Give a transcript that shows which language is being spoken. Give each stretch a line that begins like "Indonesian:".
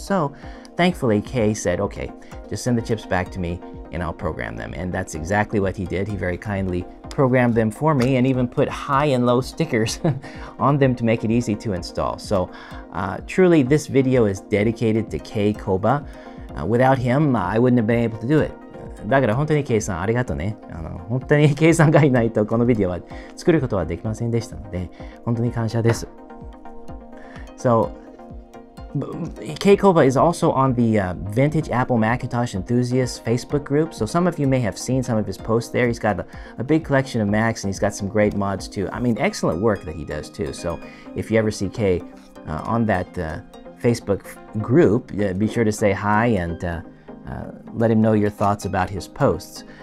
English: So thankfully, Kay said, okay, just send the chips back to me and I'll program them. And that's exactly what he did. He very kindly programmed them for me and even put high and low stickers on them to make it easy to install. So truly, this video is dedicated to Kay Koba. Without him, I wouldn't have been able to do it.
Japanese: だから本当に K さんありがとうね。本当に K さんがいないとこのビデオは作ることはできませんでしたので、本当に感謝です。
English: So, Kay Koba is also on the Vintage Apple Macintosh Enthusiast Facebook group, so some of you may have seen some of his posts there. He's got a big collection of Macs and he's got some great mods too. I mean, excellent work that he does too. So, if you ever see Kay on that Facebook group, be sure to say hi and let him know your thoughts about his posts.